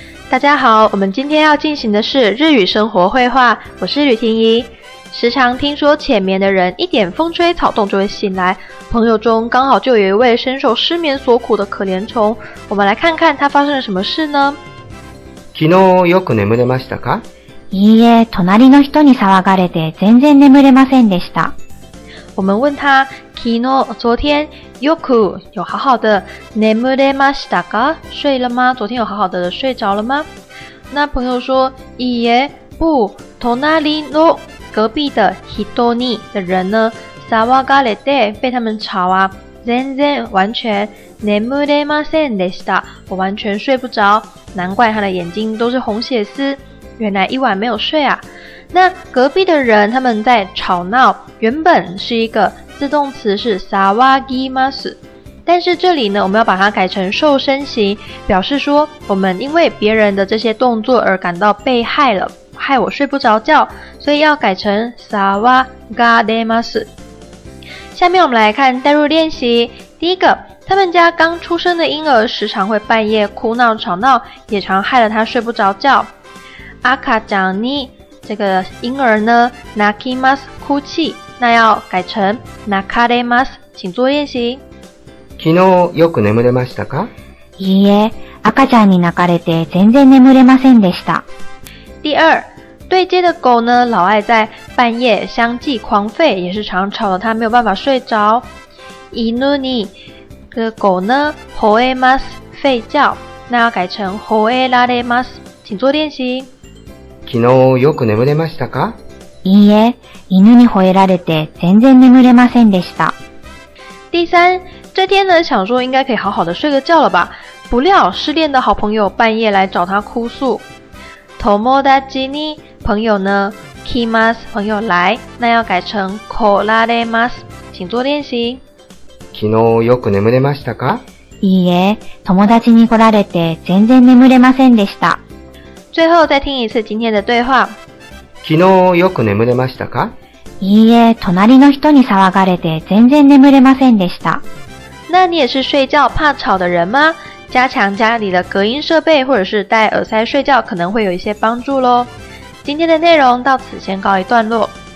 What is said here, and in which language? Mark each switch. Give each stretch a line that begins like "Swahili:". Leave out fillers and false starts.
Chinese: 大家好，我们今天要进行的是日语生活绘画，我是吕婷宜。时常听说浅眠的人一点风吹草动就会醒来，朋友中刚好就有一位深受失眠所苦的可怜虫，我们来看看他发生了什么事呢？
Japanese: 昨日よく眠れましたか？いいえ、隣の人に騒がれて全然眠れませんでした。
Chinese: 我们问他，
Japanese: 昨日
Chinese: 昨天
Japanese: よく
Chinese: 有好好的
Japanese: 眠れましたか？
Chinese: 睡了吗？昨天有好好的睡着了吗？那朋友说，
Japanese: いいえ、
Chinese: 不、
Japanese: 隣の
Chinese: 隔壁的人に的人呢，
Japanese: 騒がれて
Chinese: 被他们吵啊，
Japanese: 全然
Chinese: 完全
Japanese: 眠れませんでした。
Chinese: 我完全睡不着，难怪他的眼睛都是红血丝。原来一晚没有睡啊。那隔壁的人他们在吵闹，原本是一个自动词，是
Japanese: 騒ぎます。
Chinese: 但是这里呢，我们要把它改成瘦身型，表示说我们因为别人的这些动作而感到被害了，害我睡不着觉，所以要改成
Japanese: 騒がれます。
Chinese: 下面我们来看代入练习。第一个，他们家刚出生的婴儿时常会半夜哭闹吵闹，也常害了他睡不着觉。阿卡讲你这个婴儿呢，
Japanese: 泣きます
Chinese: 哭泣，那要改成
Japanese: 泣かれます，
Chinese: 请做练习。
Japanese: 昨日よく眠れましたか？いいえ、赤ちゃんに泣かれて全然眠れませんでした。
Chinese: 第二，对街的狗呢，老爱在半夜相继狂吠，也是常吵得他没有办法睡着。
Japanese: 犬に
Chinese: 这个狗呢，
Japanese: 吠えます
Chinese: 吠叫，那要改成
Japanese: 吠えられます，
Chinese: 请做练习。
Japanese: 昨日よく眠れましたか？いいえ、犬に吠えられて全然眠れませんでした。
Chinese: 第三，这天呢，想说应该可以好好的睡个觉了吧？不料失恋的好朋友半夜来找他哭诉。
Japanese: 友達に
Chinese: 朋友呢，
Japanese: 来ます
Chinese: 朋友来，那要改成
Japanese: 来られます，
Chinese: 请做练习。
Japanese: 昨日よく眠れましたか？いいえ、友達に来られて全然眠れませんでした。
Chinese: 最后再听一次今天的对话。
Japanese: 昨日よく眠れましたか？いいえ、隣の人に騒がれて全然眠れませんでした。
Chinese: 那你也是睡觉怕吵的人吗？加强家里的隔音设备或者是戴耳塞睡觉可能会有一些帮助咯。今天的内容到此先告一段落。